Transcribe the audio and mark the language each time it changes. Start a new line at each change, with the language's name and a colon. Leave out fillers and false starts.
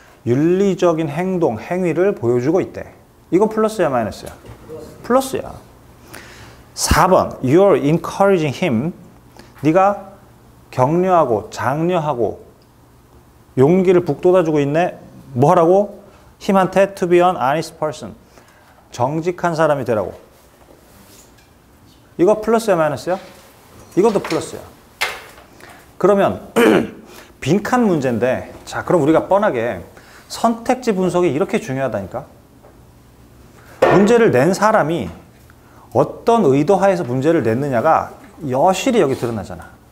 Korean: 윤리적인 행동, 행위를 보여주고 있대. 이거 플러스야 마이너스야? 플러스야. 4번
English: you're encouraging him
Korean: 네가 격려하고 장려하고 용기를 북돋아주고 있네. 뭐하라고? him한테
English: to be an honest person
Korean: 정직한 사람이 되라고. 이거 플러스야 마이너스야? 이것도 플러스야. 그러면 빈칸 문제인데 자 그럼 우리가 뻔하게 선택지 분석이 이렇게 중요하다니까. 문제를 낸 사람이 어떤 의도하에서 문제를 냈느냐가 여실히 여기 드러나잖아.